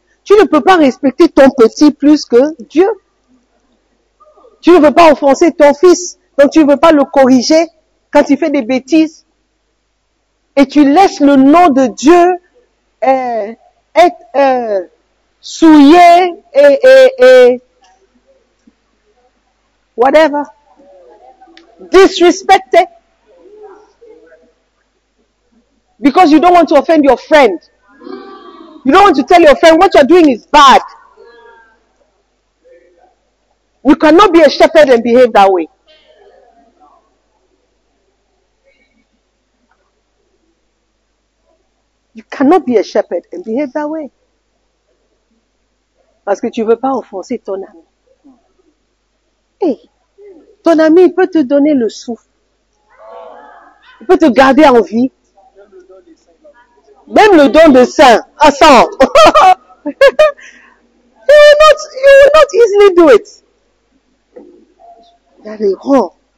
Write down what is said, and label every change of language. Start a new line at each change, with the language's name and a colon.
French: Tu ne peux pas respecter ton petit plus que Dieu. Tu ne veux pas offenser ton fils, donc tu ne veux pas le corriger quand il fait des bêtises. Et tu laisses le nom de Dieu souillé et whatever. Disrespecté.
English: because you don't want to offend your friend. You don't want to tell your friend what you're doing is bad. We cannot be a shepherd and behave that way. You cannot be a shepherd and behave that way.
French: Parce que tu veux pas offenser ton ami. Hey, ton ami peut te donner le souffle. Il peut te garder en vie. Même le don de saint. À ça.
English: You will not easily do it. That is wrong.